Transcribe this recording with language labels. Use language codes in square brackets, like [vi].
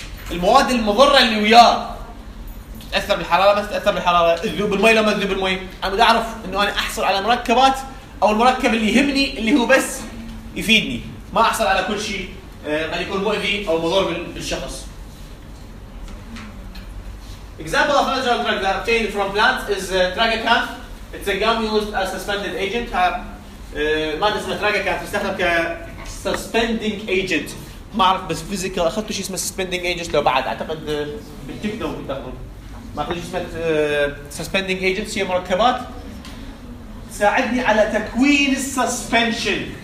[ar] المواد المضره اللي وياه تتاثر بالحراره ما تتاثر بالحراره تذوب المي لو ما تذوب المي. انا بدي اعرف انه انا احصل على مركبات او المركب اللي يهمني اللي هو بس يفيدني ما احصل على كل شيء قد يكون مؤذي او مضر بالشخص. [en] example of natural drug that obtained from plants is tragacanth. it's a gum used as suspended agent. [ar] مادة اسمها تراجاكانت تستخدم ك suspending agent ما أعرف بس physical أخذت شيء اسمه suspending agent لو بعد أعتقد بالتكنو ما أخذت شيء اسمه suspending agent هي مركبات ساعدني على تكوين suspension.